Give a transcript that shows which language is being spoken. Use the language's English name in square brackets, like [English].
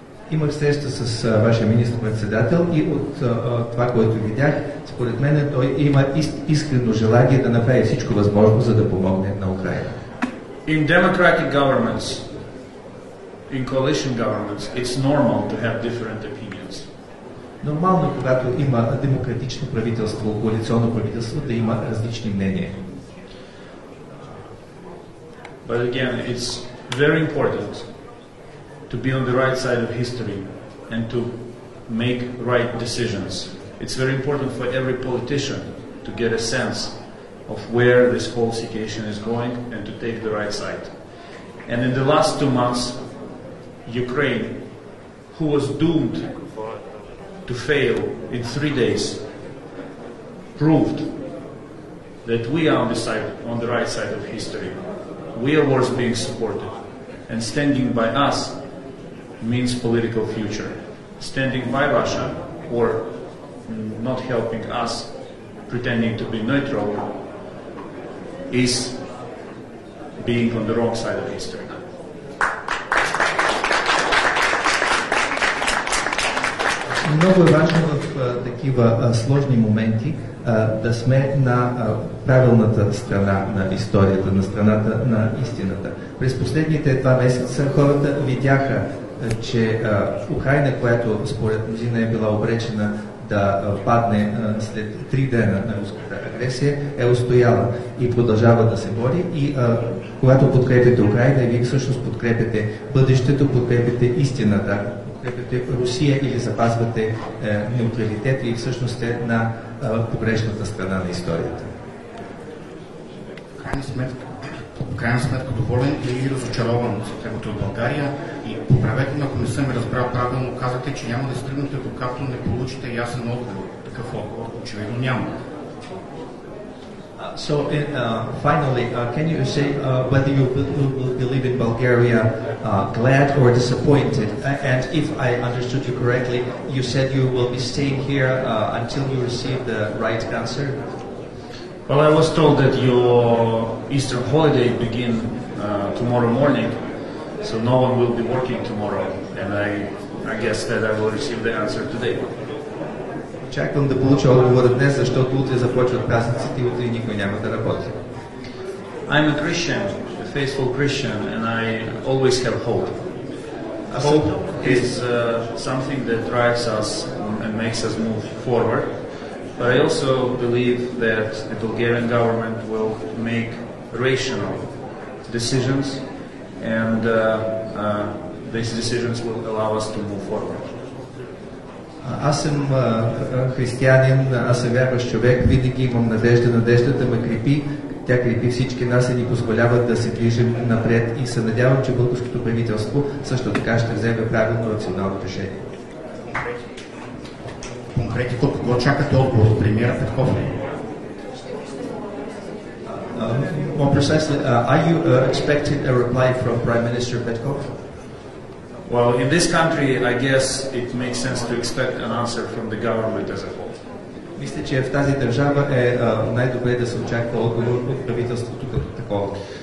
[Bulgarian] Имах среща с вашия министър-председател и от това, което видях, според мен той има искрено желание да направи всичко възможно, за да помогне на Украина. [English] In democratic governments, in coalition governments, it's normal to have different opinions. [Bulgarian] Нормално, когато има демократично правителство, коалиционно правителство, да има различни мнения. [English] But again, it's very important to be on the right side of history and to make right decisions. It's very important for every politician to get a sense of where this whole situation is going and to take the right side. And in the last 2 months, Ukraine, who was doomed to fail in 3 days, proved that we are on the right side of history. We are worth being supported. And standing by us means political future. Standing by Russia, or not helping us, pretending to be neutral, is being on the wrong side of history. [Bulgarian] Много е важно в такива сложни моменти да сме на правилната страна на историята, на страната на истината. През последните 2 месеца хората видяха, че Украйна, която според мнозина е била обречена да падне след 3 дена на руската агресия, е устояла и продължава да се бори. И когато подкрепяте Украйна, вие всъщност подкрепяте бъдещето, подкрепяте истината. Подкрепяте Русия или запазвате неутралитет и всъщност сте на погрешната страна на историята. По крайна сметка доволен или разочарован с темата от България, и поправете ме, ако не съм разбрал правилно, казвате, че няма да стигнете, докато не получите ясен отговор. Такъв отговор очевидно няма. [English] So finally, can you say whether you believe in Bulgaria glad or disappointed? And if I understood you correctly, you said you will be staying here until you receive the right answer? Well, I was told that your Easter holiday begins tomorrow morning, so no one will be working tomorrow, and I guess that I will receive the answer today. [Bulgarian] Чакам да получа отговора днес, защото утре започват празниците и утре никой няма да работи. [English] I'm a Christian, a faithful Christian, and I always have hope. Hope is something that drives us and makes us move forward. But I also believe that the Bulgarian government will make rational decisions, and these decisions will allow us to move forward. [Bulgarian] Аз съм християнин, аз съм вярващ човек, винаги имам надежда, надеждата ме крепи, тя крепи всички нас и ни позволява да се движим напред и се надявам, че българското правителство също така ще вземе правилно рационално решение. Конкретно, какво чакате отговор от премиера Петков? [English] More precisely, are you expecting a reply from Prime Minister Petkov? Well, in this country, I guess it makes sense to expect an answer from the government as a whole. [Bulgarian] Мисля, че в тази държава е най-добре да се очаква отговор от правителството като такова.